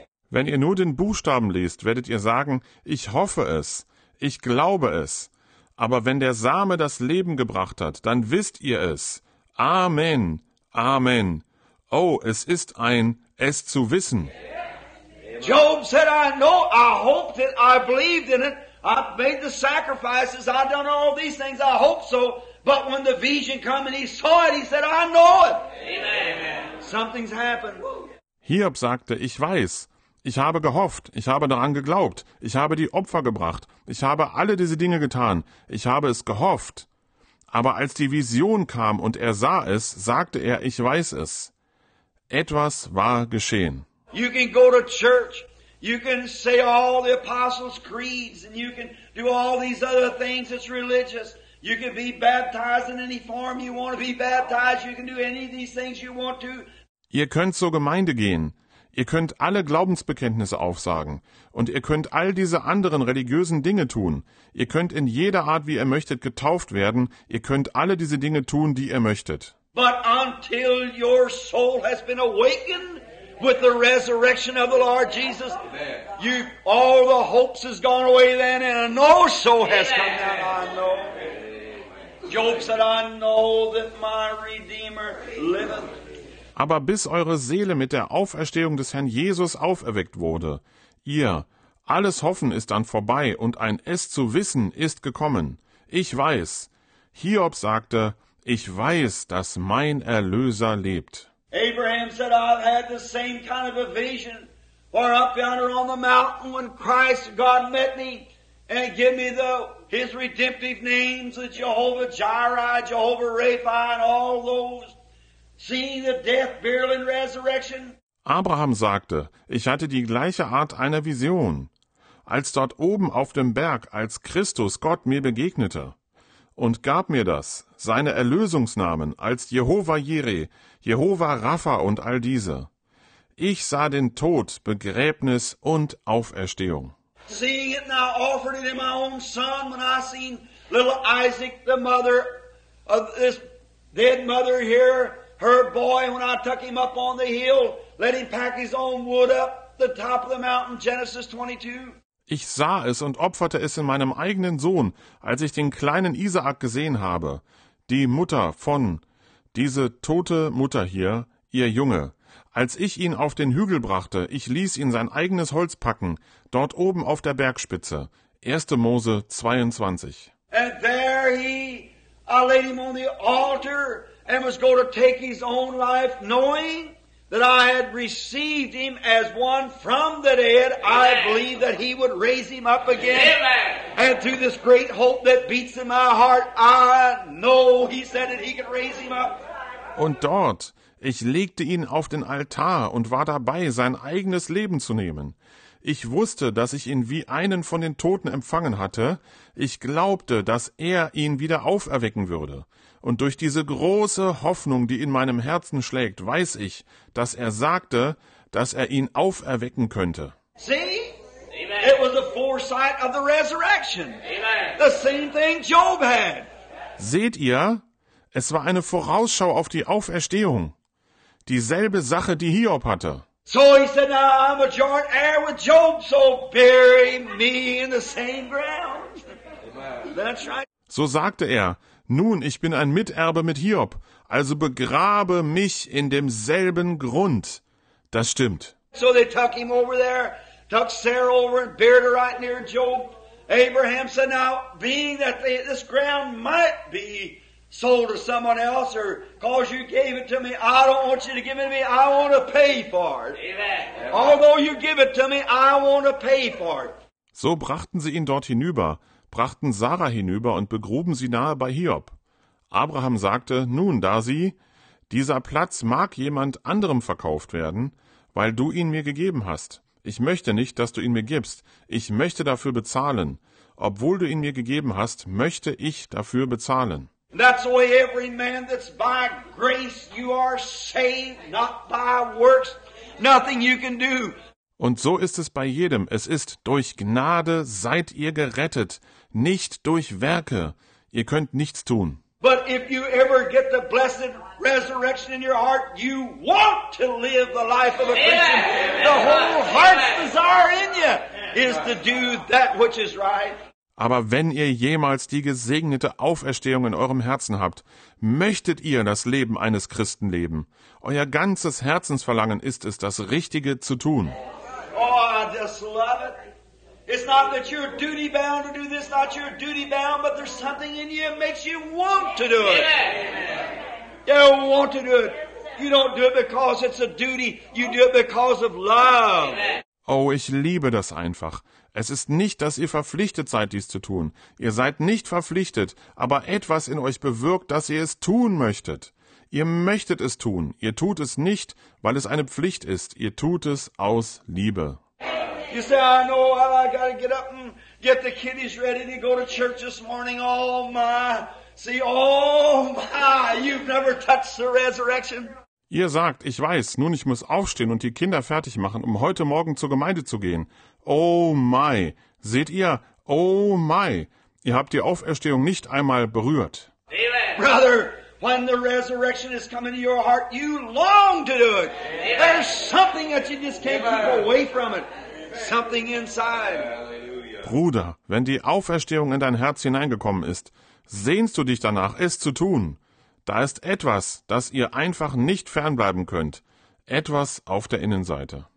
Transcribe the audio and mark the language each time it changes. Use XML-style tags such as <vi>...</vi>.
<de>Wenn ihr nur den Buchstaben liest, werdet ihr sagen, ich hoffe es, ich glaube es. Aber wenn der Same das Leben gebracht hat, dann wisst ihr es. Amen. Amen. Oh, es ist ein, es zu wissen.</de> <en>Job said, I know, I hoped it, I believed in it. I've made the sacrifices, I've done all these things, I hope so. But when the vision came and he saw it, he said, I know it. Amen. Something's happened.</en> <de>Hiob sagte, ich weiß, ich habe gehofft, ich habe daran geglaubt, ich habe die Opfer gebracht, ich habe alle diese Dinge getan, ich habe es gehofft. Aber als die Vision kam und er sah es, sagte er, ich weiß es. Etwas war geschehen.</de> <en>You can go to church. You can say all the apostles' creeds and you can do all these other things. It's religious. You can be baptized in any form you want to be baptized. You can do any of these things you want to.</en> <de>Ihr könnt zur Gemeinde gehen. Ihr könnt alle Glaubensbekenntnisse aufsagen. Und ihr könnt all diese anderen religiösen Dinge tun. Ihr könnt in jeder Art, wie ihr möchtet, getauft werden. Ihr könnt alle diese Dinge tun, die ihr möchtet.</de> <en>But until your soul has been awakened with the resurrection of the Lord Jesus, you, all the hopes has gone away then, and a no soul has come down. I know. Job said, I know that my Redeemer liveth.</en> <de>Aber bis eure Seele mit der Auferstehung des Herrn Jesus auferweckt wurde, ihr, alles Hoffen ist dann vorbei und ein Es zu wissen ist gekommen. Ich weiß. Hiob sagte, ich weiß, dass mein Erlöser lebt.</de> <en>Abraham said, I've had the same kind of a vision where up yonder on the mountain when Christ God met me and gave me his redemptive names, the Jehovah Jireh, Jehovah Rapha and all those. Seeing the death, burial and resurrection.</en> <de>Abraham sagte, ich hatte die gleiche Art einer Vision, als dort oben auf dem Berg, als Christus Gott mir begegnete und gab mir das, seine Erlösungsnamen, als Jehova Jireh, Jehova Rapha und all diese. Ich sah den Tod, Begräbnis und Auferstehung.</de> <en>Seeing it now offered it in my own son, when I seen little Isaac, the mother of this dead mother here, her boy, when I took him up on the hill, let him pack his own wood up the top of the mountain, Genesis 22.</en> <de>Ich sah es und opferte es in meinem eigenen Sohn, als ich den kleinen Isaak gesehen habe, die Mutter von, diese tote Mutter hier, ihr Junge. Als ich ihn auf den Hügel brachte, ich ließ ihn sein eigenes Holz packen, dort oben auf der Bergspitze, 1. Mose 22.</de> <en>And there I laid him on the altar, and was going to take his own life, knowing that I had received him as one from the dead. Amen. I believe that he would raise him up again. Amen. And through this great hope that beats in my heart, I know he said that he could raise him up.</en> <de>Und dort, ich legte ihn auf den Altar und war dabei, sein eigenes Leben zu nehmen. Ich wusste, dass ich ihn wie einen von den Toten empfangen hatte. Ich glaubte, dass er ihn wieder auferwecken würde. Und durch diese große Hoffnung, die in meinem Herzen schlägt, weiß ich, dass er sagte, dass er ihn auferwecken könnte.</de> <en>See? Amen. It was a foresight of the resurrection. Amen. The same thing Job had.</en> <de>Seht ihr? Es war eine Vorausschau auf die Auferstehung. Dieselbe Sache, die Hiob hatte.</de> <en>So he said, now I'm a joint heir with Job, so bury me in the same ground. That's right.</en> <de>So sagte er, nun, ich bin ein Miterbe mit Hiob, also begrabe mich in demselben Grund. Das stimmt.</de> <en>So they took him over there, took Sarah over and buried her right near Job. Abraham said, now, being that this ground might be sold to someone else, or cause you gave it to me, I don't want you to give it to me, I want to pay for it. Amen. Although you give it to me, I want to pay for it.</en> <de>So brachten sie ihn dort hinüber, brachten Sarah hinüber und begruben sie nahe bei Hiob. Abraham sagte, nun, da sie, dieser Platz mag jemand anderem verkauft werden, weil du ihn mir gegeben hast. Ich möchte nicht, dass du ihn mir gibst. Ich möchte dafür bezahlen. Obwohl du ihn mir gegeben hast, möchte ich dafür bezahlen.</de> <en>That's the way every man that's by grace you are saved, not by works, nothing you can do.</en> <de>Und so ist es bei jedem. Es ist durch Gnade seid ihr gerettet, nicht durch Werke. Ihr könnt nichts tun.</de> <en>But if you ever get the blessed resurrection in your heart, you want to live the life of a Christian. Yeah. The whole heart's desire in you is to do that which is right.</en> <de>Aber wenn ihr jemals die gesegnete Auferstehung in eurem Herzen habt, möchtet ihr das Leben eines Christen leben. Euer ganzes Herzensverlangen ist es, das Richtige zu tun.</de> <en>Oh, I just love it. It's not that you're duty bound to do this, not you're duty bound, but there's something in you that makes you want to do it. Amen. You want to do it. You don't do it because it's a duty, you do it because of love. Amen.</en> <de>Oh, ich liebe das einfach. Es ist nicht, dass ihr verpflichtet seid, dies zu tun. Ihr seid nicht verpflichtet, aber etwas in euch bewirkt, dass ihr es tun möchtet. Ihr möchtet es tun. Ihr tut es nicht, weil es eine Pflicht ist. Ihr tut es aus Liebe.</de> <en>You say, I know, I gotta get up and get the kiddies ready to go to church this morning. Oh my, see, oh my, you've never touched the resurrection.</en> <de>Ihr sagt, ich weiß, nun ich muss aufstehen und die Kinder fertig machen, um heute Morgen zur Gemeinde zu gehen.</de> <en>Oh my,</en> <de>seht ihr,</de> <en>oh my,</en> <de>ihr habt die Auferstehung nicht einmal berührt.</de> <en>Brother, when the resurrection is coming to your heart, you long to do it. There's something that you just can't keep away from it. Something inside.</en> <de>Bruder, wenn die Auferstehung in dein Herz hineingekommen ist, sehnst du dich danach, es zu tun. Da ist etwas, das ihr einfach nicht fernbleiben könnt. Etwas auf der Innenseite.</de>